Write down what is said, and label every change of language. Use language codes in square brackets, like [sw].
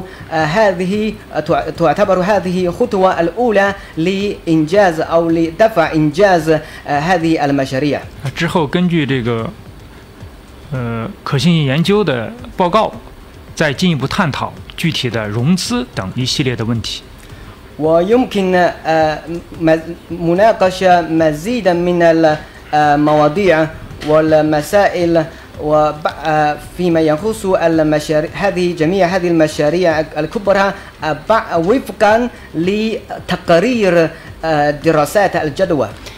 [ar] وتعتبر هذه الخطوة الأولى لإنجاز أو لدفع إنجاز هذه المشاريع. [zh] 之后根据这个可信性研究的报告，再进一步探讨具体的融资等一系列的问题。 [ar] ويمكن مناقشة مزيدا من المواضيع. والمسائل وفيما يخص هذه جميع هذه المشاريع الكبرى وفقا لتقرير دراسات الجدوى.